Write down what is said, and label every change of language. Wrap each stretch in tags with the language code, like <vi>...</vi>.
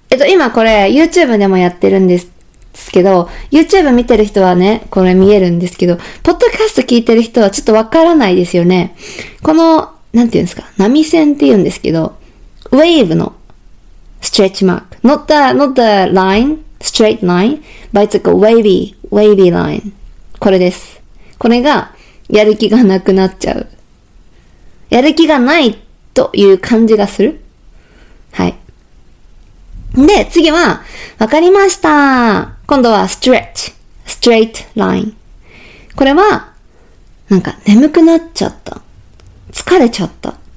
<ja>今これ YouTube でもやってるんですけど、YouTube 見てる人はね、これ見えるんですけど、ポッドキャスト聞いてる人はちょっとわからないですよね。この、なんていうんですか、波線って言うんですけど、ウェーブのストレッチマーク。</ja> <en>Not the line, straight line, but it's like a wavy line.</en> <ja>これです。これが、やる気がなくなっちゃう。やる気がないという感じがする。はい。で、次は、わかりました。今度は、straight line。これは、なんか、眠くなっちゃった。疲れちゃった。</ja>